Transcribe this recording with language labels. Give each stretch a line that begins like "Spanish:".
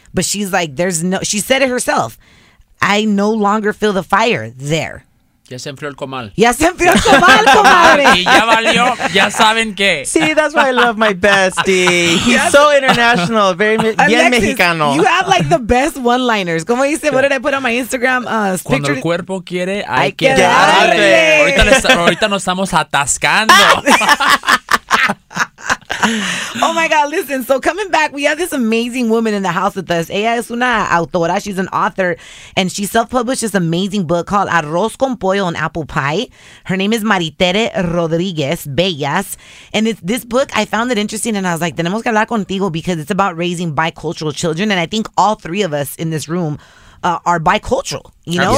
English: But she's like, she said it herself. I no longer feel the fire there.
Spanish: Ya se enfrió el comal. Ya se enfrió el comal, comadre. Y ya valió, ya saben qué.
English: See, that's why I love my bestie. He's so international, very
Spanish: bien mexicano.
English: You have like the best one-liners.
Spanish: Como dice,
English: what did I put on my Instagram?
Spanish: Cuando pictures. El cuerpo quiere, hay que darle. Ahorita nos estamos atascando.
English: Oh my God, listen, so coming back, we have this amazing woman in the house with us.
Spanish: Ella es una autora,
English: she's an author, and she self-published this amazing book called Arroz con Pollo and Apple Pie. Her name is Maritere Rodriguez Bellas, and this book, I found it interesting, and I was like,
Spanish: tenemos que hablar contigo,
English: because it's about raising bicultural children, and I think all three of us in this room are bicultural, you know?